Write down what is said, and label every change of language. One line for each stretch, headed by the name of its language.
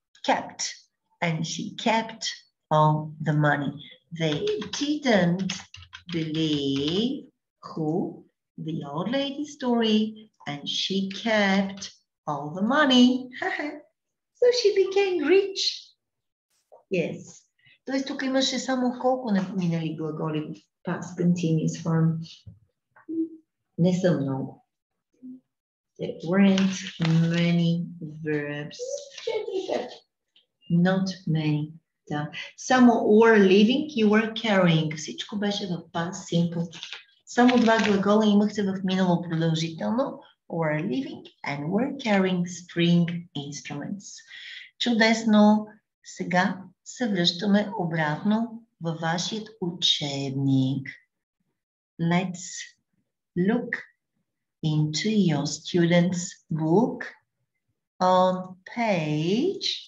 English: Kept. And she kept all the money. They didn't believe who? The old lady's story, and she kept all the money. So she became rich. Yes.
Bulgarian: Тоест тук имаше само колко минали глаголи в
English: past continuous form.
Bulgarian: Не са много.
English: There weren't many verbs. Not many.
Bulgarian: Да. Само
English: were living, you were carrying.
Bulgarian: Всичко беше в past simple. Само два глагола имахте в минало продължително.
English: Were living and were carrying string instruments.
Bulgarian: Чудесно! Сега се връщаме обратно във вашият учебник.
English: Let's look into your student's book on page.